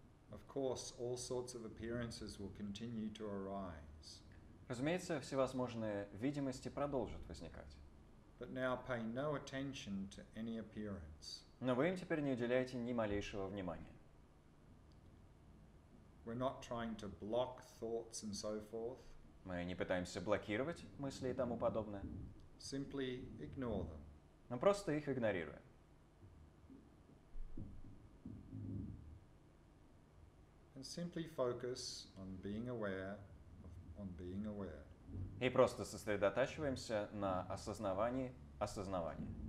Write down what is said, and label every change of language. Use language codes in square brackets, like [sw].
[en] Of course, all sorts of appearances will continue to arise. [ru] Разумеется, всевозможные видимости продолжат возникать. [en] But now pay no attention to any appearance. [ru] Но вы им теперь не уделяете ни малейшего внимания. [en] We're not trying to block thoughts and so forth. [ru] Мы не пытаемся блокировать мысли и тому подобное. [en] Simply ignore them. [ru] Но просто их игнорируем. [en] Simply focus on being aware of on being aware. [ru] И просто сосредотачиваемся на осознавании осознавания.